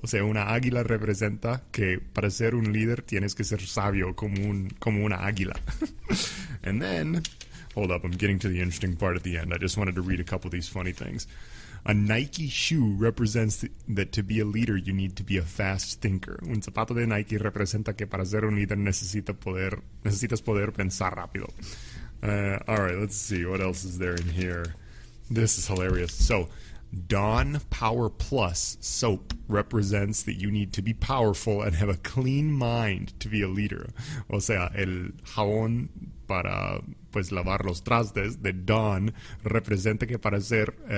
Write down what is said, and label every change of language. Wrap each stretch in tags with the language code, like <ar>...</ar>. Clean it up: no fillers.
<es>O sea, una águila representa que para ser un líder tienes que ser sabio como una águila.</es> <en>And then, hold up, I'm getting to the interesting part at the end. I just wanted to read a couple of these funny things. A Nike shoe represents that to be a leader, you need to be a fast thinker.</en> <es>Un zapato de Nike representa que para ser un líder necesitas poder pensar rápido.</es> <en>All right, let's see. What else is there in here? This is hilarious. So, Dawn Power Plus soap represents that you need to be powerful and have a clean mind to be a leader.</en> <es>O sea, el jabón para pues lavar los trastes de Dawn representa que para ser...</es>